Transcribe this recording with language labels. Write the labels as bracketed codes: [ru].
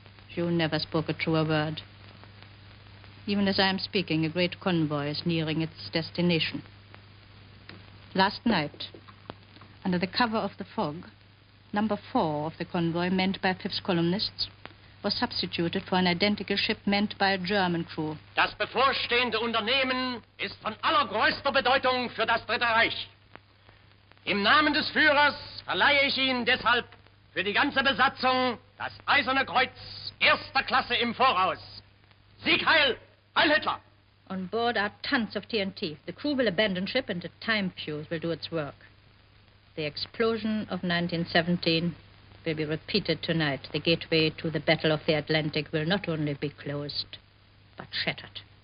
[en] You never spoke a truer word. Even as I am speaking, a great convoy is nearing its destination. Last night, under the cover of the fog, number 4 of the convoy, manned by 5th columnists, was substituted for an identical ship manned by a German crew. [de] Das bevorstehende Unternehmen ist von allergrößter Bedeutung für das Dritte Reich. Im Namen des Führers verleihe ich Ihnen deshalb für die ganze Besatzung das Eiserne Kreuz erster Klasse im Voraus. Sieg Heil! Hitler. [en] On board are tons of TNT. The crew will abandon ship and a time fuse will do its work. The explosion of 1917 will be repeated tonight. The gateway to the Battle of the Atlantic will not only be closed, but shattered.